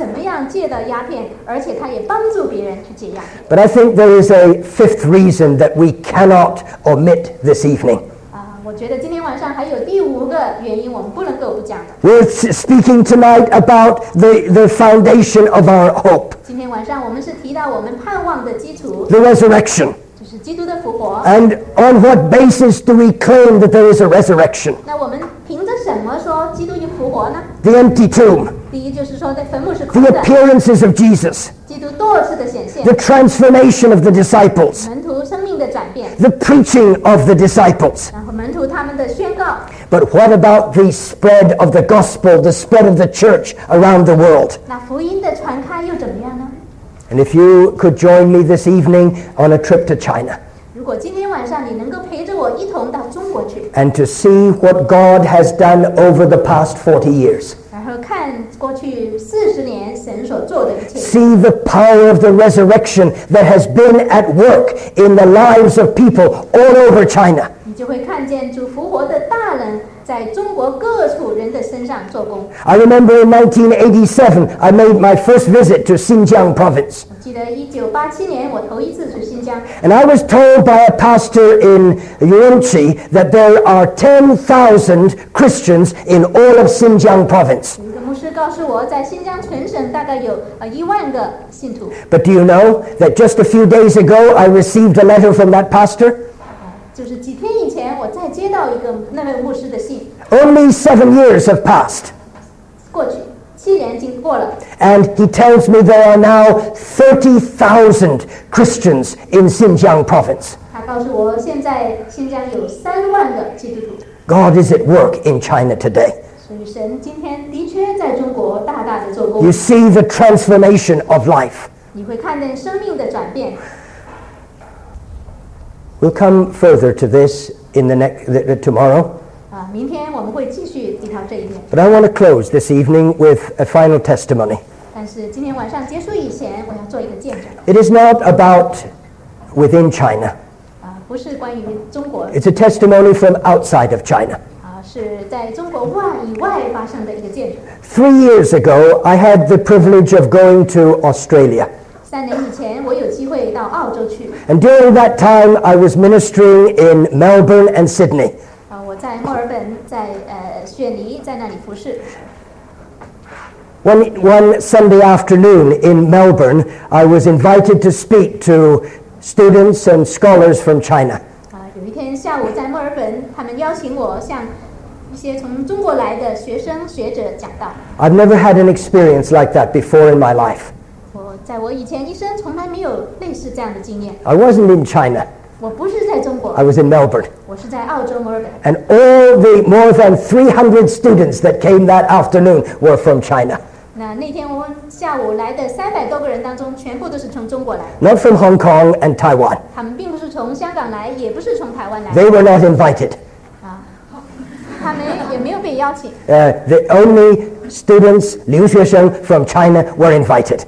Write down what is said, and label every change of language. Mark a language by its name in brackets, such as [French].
[Chinese] 上戒的鸦片，而且他也帮助别人去戒鸦片。 [English] But I think there is a fifth reason that we cannot omit this evening. [Chinese] 我觉得今天晚上还有第五个原因我们不能够不讲的。 [English] We're speaking tonight about the foundation of our hope. [Chinese] 今天晚上我们是提到我们盼望的基础。 [English] The resurrection. And on what basis do we claim that there is a resurrection? [Chinese] 那我们凭着什么说基督已复活呢？ [English] The empty tomb. [Chinese] 第一就是说在坟墓是空的。 [English] The appearances of Jesus. [Chinese] 基督多次的显现。 [English] The transformation of the disciples. [Chinese] 门徒生命的转变。 [English] The preaching of the disciples. [Chinese] 然后门徒他们的宣告。 [English] But what about the spread of the gospel, the spread of the church around the world? [Chinese] 那福音的传开又怎么样呢？ [English] And if you could join me this evening on a trip to China. [Chinese] 如果今天晚上你能够陪着我一同到中国去。 [English] And to see what God has done over the past 40 years. [Chinese] 然后看过去40年神所做的一切。 [English] See the power of the resurrection that has been at work in the lives of people all over China. [Chinese] 你就会看见主复活的大能在中国各处人的身上做工。 [English] I remember in 1987, I made my first visit to Xinjiang province. [Chinese] 记得1987年我头一次去新疆。 [English] And I was told by a pastor in Urumqi that there are 10,000 Christians in all of Xinjiang province. [Chinese] 一个牧师告诉我在新疆全省大概有10,000个信徒。 [English] But do you know that just a few days ago, I received a letter from that pastor? [Chinese] 就是几天以前我再接到一个那位牧师的信。 [English] Only 7 years have passed. [Chinese] 过去七年已经过了。 [English] And he tells me there are now 30,000 Christians in Xinjiang province. [Chinese] 他告诉我现在新疆有30,000个基督徒。 [English] God is at work in China today. [Chinese] 所以神今天的确在中国大大的做工。 [English] You see the transformation of life. [Chinese] 你会看见生命的转变。 [English] We'll come further to this in the tomorrow. [Chinese] 明天我们会继续提到这一点。 [English] But I want to close this evening with a final testimony. [Chinese] 但是今天晚上结束以前，我要做一个见证。 [English] It is not about within China. [Chinese] 不是关于中国。 [English] It's a testimony from outside of China. [Chinese] 是在中国以外发生的一个见证。 [English] 3 years ago, I had the privilege of going to Australia. [Chinese] 三年以前我有机会到澳洲去。 [English] And during that time, I was ministering in Melbourne and Sydney. [Chinese] 我在墨尔本，在雪梨，在那里服事。 [English] One Sunday afternoon in Melbourne, I was invited to speak to students and scholars from China. [Chinese] 有一天下午在墨尔本，他们邀请我向一些从中国来的学生学者讲道。 [English] I've never had an experience like that before in my life. [Chinese] 在我以前一生从来没有类似这样的经验。 [English] I wasn't in China. [Chinese] 我不是在中国。 [English] I was in Melbourne. [Chinese] 我是在澳洲墨尔本。 [English] And all the more than 300 students that came that afternoon were from China. [Chinese] 那天我下午来的300多个人当中全部都是从中国来。 [English] Not from Hong Kong and Taiwan. [Chinese] 他们并不是从香港来，也不是从台湾来。 [English] They were not invited. [Chinese] 他们也没有被邀请。 [English] The onlystudents, 留学生 from China were invited.